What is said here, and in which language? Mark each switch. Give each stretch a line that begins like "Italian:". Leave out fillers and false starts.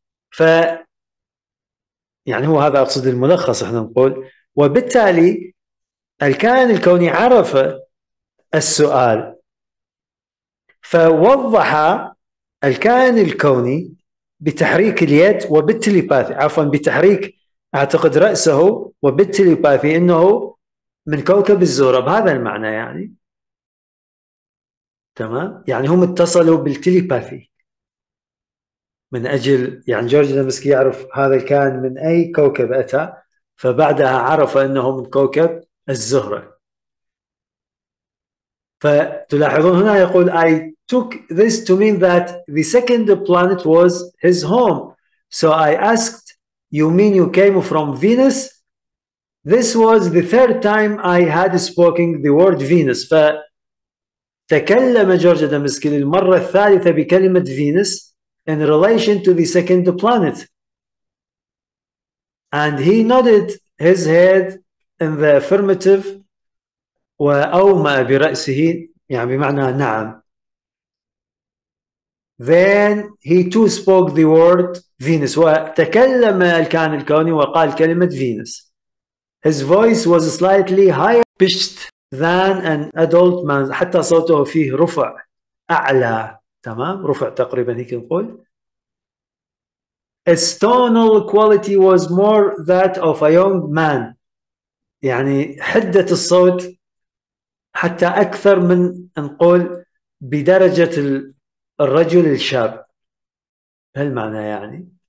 Arabic: ف يعني هو هذا أقصد الملخص، احنا نقول وبالتالي الكائن الكوني عرف السؤال فوضح الكائن الكوني بتحريك اليد وبالتليباثي، عفوا بتحريك أعتقد رأسه وبالتليباثي، إنه من كوكب الزهرة بهذا المعنى، يعني تمام، يعني هم اتصلوا بالتليباثي من أجل، يعني جورج دمسكي يعرف هذا الكائن من أي كوكب أتى، فبعدها عرف أنه من كوكب الزهرة. فتلاحظون هنا يقول
English: I took this to mean that the second planet was his home. So I asked you mean you came from Venus? This was the third time I had spoken the word Venus.
Arabic: فتكلم جورج دمسكي للمرة الثالثة بكلمة فينوس
English: in relation to the second planet. And he nodded his head in the affirmative
Arabic: وأومأ برأسه، يعني بمعنى نعم.
English: Then he too spoke the word Venus،
Arabic: وتكلم الكائن الكوني وقال كلمة
English: Venus. His voice was slightly higher pitched than an adult man،
Arabic: حتى صوته فيه رفع أعلى، تمام، رفع تقريبا هيك نقول.
English: His tonal quality was more that of a young man،
Arabic: يعني حدة الصوت حتى أكثر من نقول بدرجة الرجل الشاب. هالمعنى يعني.